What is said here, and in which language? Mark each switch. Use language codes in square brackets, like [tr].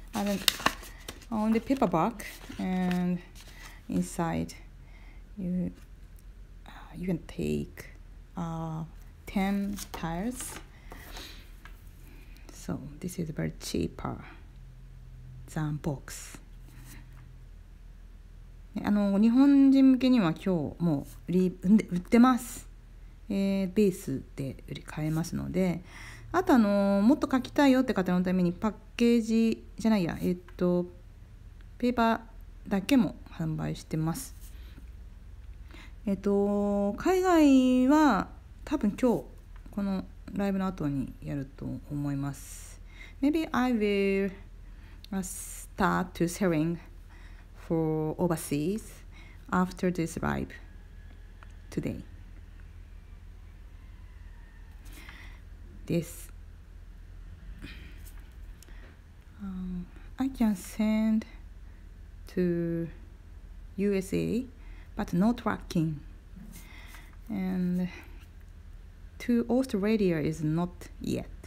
[en] And then on the paperback and inside, you can take10 tiles. So this is very cheaper than box. [ja] 日本人向けには今日もう売ってます。ベースで売り買えますので、あと、もっと書きたいよって方のためにパッケージじゃないや、ペーパーだけも販売してます。海外は多分今日このライブの後にやると思います。 [en] Maybe I will start to selling for overseas after this live today です、I can send to USA but no tracking andTo Australia is not yet.